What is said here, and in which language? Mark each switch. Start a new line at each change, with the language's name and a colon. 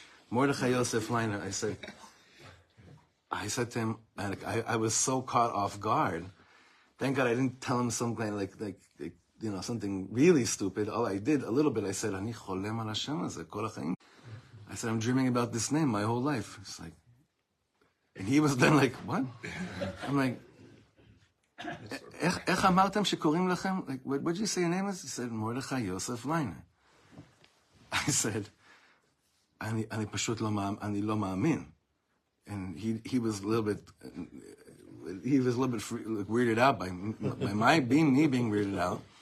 English: Mordechai Yosef Liner. I said to him, I was so caught off guard. Thank God I didn't tell him something like, you know, something really stupid. All I did, a little bit, I said,
Hebrew: Ani cholem al Hashem hazeh kol ha'chaim.
English: I said, I'm dreaming about this name my whole life. It's like, and he was then like, what?
Hebrew: I'm like, איך אמרתם שקוראים לכם?
English: Like, what did you say your name is? He said, Mordechai Yosef Liner.
Hebrew: I said, אני פשוט לא מאמין.
English: And he was a little bit, like, weirded out by me being weirded out.